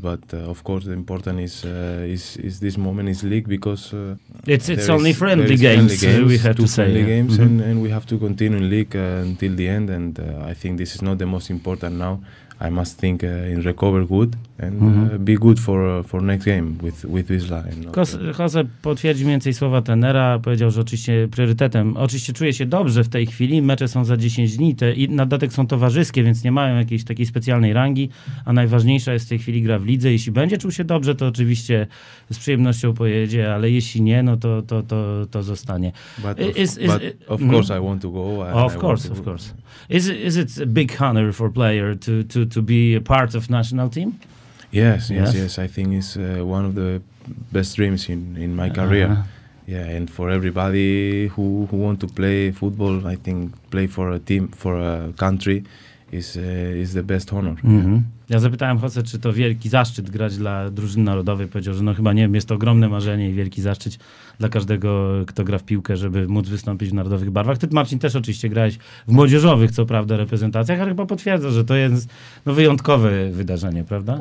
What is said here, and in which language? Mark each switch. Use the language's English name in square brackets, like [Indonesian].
[English] But of course, the important is this moment is league, because it's only friendly games. We have to say friendly games, and we have to continue in league until the end. And I think this is not the most important now. I must think in recover good and be good for next game with Wisla. [Polish] Jose potwierdził więcej słowa trenera, powiedział, że oczywiście priorytetem. Oczywiście czuję się dobrze w tej chwili, mecze są za 10 dni, te i na dodatek są towarzyskie, więc nie mają jakiejś takiej specjalnej rangi, a najważniejsza jest w tej chwili gra w lidze. Jeśli będzie czuł się dobrze, to oczywiście z przyjemnością pojedzie, ale jeśli nie, no to zostanie. [English] But of course I want to go. Is it a big honor for player to be a part of national team? Yes. I think it's one of the best dreams in my career. Yeah, and for everybody who want to play football, I think play for a team, for a country, is the best honor. Mm-hmm. Yeah. [Polish] Ja zapytałem Jose, czy to wielki zaszczyt grać dla drużyny narodowej. Powiedział, że no chyba nie, jest to ogromne marzenie i wielki zaszczyt dla każdego, kto gra w piłkę, żeby móc wystąpić w narodowych barwach. Ty, Marcin, też oczywiście grałeś w młodzieżowych, co prawda, reprezentacjach, ale chyba potwierdza, że to jest no, wyjątkowe wydarzenie, prawda?